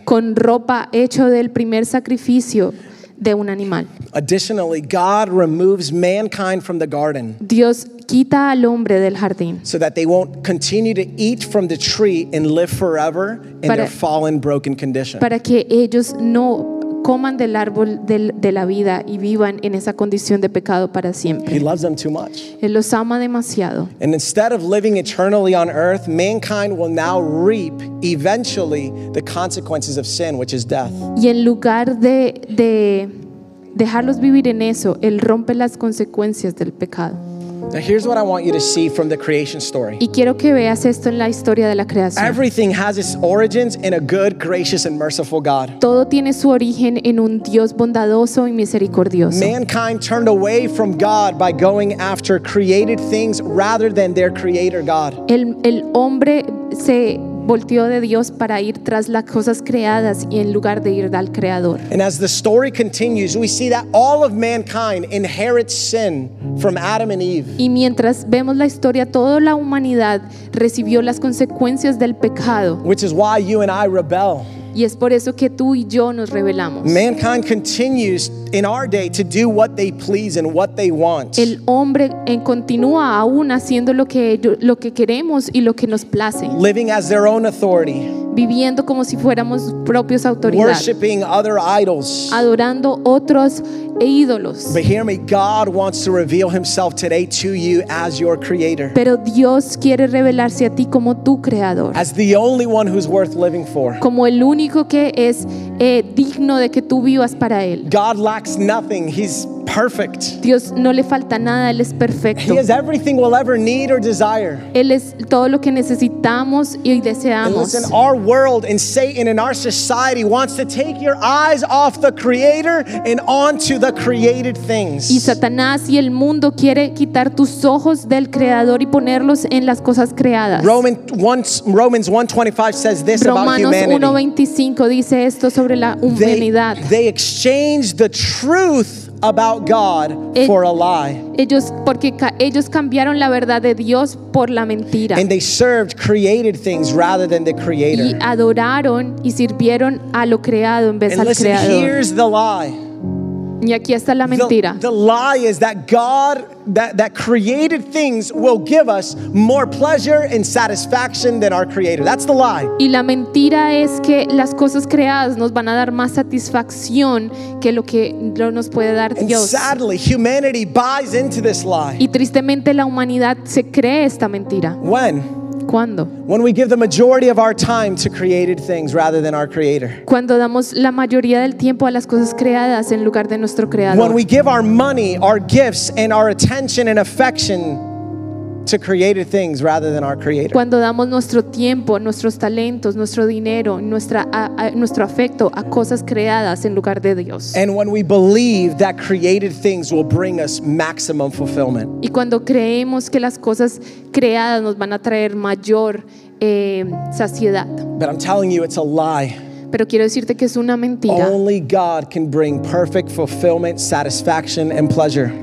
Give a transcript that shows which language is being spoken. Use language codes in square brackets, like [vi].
[es] Con ropa hecho del primer sacrificio. De un animal. [en] Additionally, God removes mankind from the garden. [es] Dios quita al hombre del jardín. [en] So that they won't continue to eat from the tree and live forever in their fallen, broken condition. [es] Para que ellos no coman del árbol de la vida y vivan en esa condición de pecado para siempre. [en] He loves them too much. [es] Él los ama demasiado. [en] And instead of living eternally on earth, mankind will now reap eventually the consequences of sin, which is death. [es] Y en lugar de dejarlos vivir en eso, él rompe las consecuencias del pecado. [en] Now here's what I want you to see from the creation story. [es] Y quiero que veas esto en la historia de la creación. [en] Everything has its origins in a good, gracious, and merciful God. [es] Todo tiene su origen en un Dios bondadoso y misericordioso. [en] Mankind turned away from God by going after created things rather than their creator God. [es] El hombre se volteó de Dios para ir tras las cosas creadas y en lugar de ir al creador. [en] And as the story continues, we see that all of mankind inherits sin from Adam and Eve. [es] Y mientras vemos la historia, toda la humanidad recibió las consecuencias del pecado. [en] Which is why you and I rebel. [es] Y es por eso que tú y yo nos rebelamos. [en] Mankind continues in our day to do what they please and what they want. [es] El hombre continúa aún haciendo lo que queremos y lo que nos place. [en] Living as their own authority. [es] Viviendo como si fuéramos propios autoridad. [en] Worshiping other idols. [es] Adorando otros ídolos. [en] But hear me, God wants to reveal Himself today to you as your creator. [es] Pero Dios quiere revelarse a ti como tu creador. [en] As the only one who's worth living for. [es] Como el único que es digno de que tú vivas para él. [en] God lacks nothing. He's perfect. [es] Dios no le falta nada, él es perfecto. [en] He has everything we'll ever need or desire. [es] Él es todo lo que necesitamos y deseamos. [en] And listen, our world and Satan and our society wants to take your eyes off the Creator and onto the created things. [es] Y Satanás y el mundo quiere quitar tus ojos del creador y ponerlos en las cosas creadas. [en] Romans 1:25 says this about humanity. [es] Romanos 1:25 dice esto sobre la humanidad. [en] They exchanged the truth about God for a lie. [es] Ellos cambiaron la verdad de Dios por la mentira. [en] And they served created things rather than the creator. [es] Y adoraron y sirvieron a lo creado en vez al creador. [en] And listen, here's the lie. [es] Y aquí está la mentira. [en] The lie is that God that created things will give us more pleasure and satisfaction than our creator. That's the lie. [es] Y la mentira es que las cosas creadas nos van a dar más satisfacción que lo que nos puede dar Dios. [en] And sadly, humanity buys into this lie. [es] Y tristemente la humanidad se cree esta mentira. [en] When? [es] ¿Cuándo? [en] When we give the majority of our time to created things rather than our creator. [es] Cuando damos la mayoría del tiempo a las cosas creadas en lugar de nuestro creador. [en] When we give our money, our gifts, and our attention and affection to created things rather than our creator. [es] Cuando damos nuestro tiempo, nuestros talentos, nuestro dinero, nuestro afecto a cosas creadas en lugar de Dios. [en] And when we believe that created things will bring us maximum fulfillment. [es] Y cuando creemos que las cosas creadas nos van a traer mayor saciedad. [en] But I'm telling you, it's a lie. [es] Pero quiero decirte que es una mentira. [en] Only God can bring perfect fulfillment, satisfaction, and pleasure.